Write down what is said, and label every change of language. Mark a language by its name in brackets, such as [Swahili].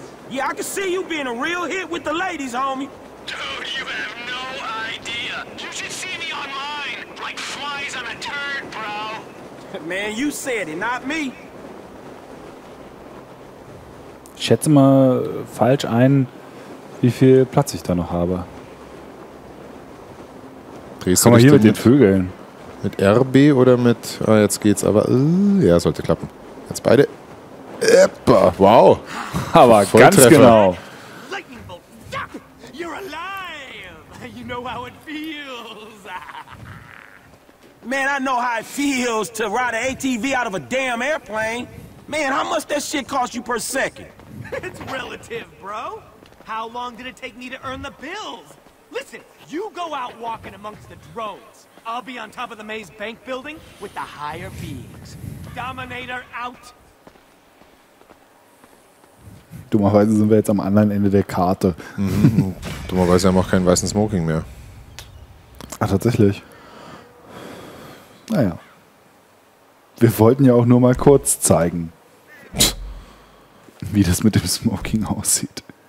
[English] Yeah, I can see you being a real hit with the ladies, homie. Dude, you have no idea. You should see me online, like flies on a turd, bro. Man, you said it, not me. [German] Ich schätze mal falsch ein, wie viel Platz ich da noch habe. Drehst du mal hier mit den Vögeln? Mit RB oder mit... Ah, jetzt geht's aber... ja, sollte klappen. Jetzt beide... Eppa, wow. Aber ganz genau. [English] Lightning bolt. You're alive. You know how it feels. Man, I know how it feels to ride an ATV out of a damn airplane. Man, how much that shit cost you per second? It's relative, bro. How long did it take me to earn the bills? Listen, you go out walking amongst the drones. I'll be on top of the Maze Bank building with the higher beings. Dominator out. [German] Dummerweise sind wir jetzt am anderen Ende der Karte. Dummerweise haben wir auch keinen weißen Smoking mehr. Ach, tatsächlich. Naja. Wir wollten ja auch nur mal kurz zeigen, wie das mit dem Smoking aussieht.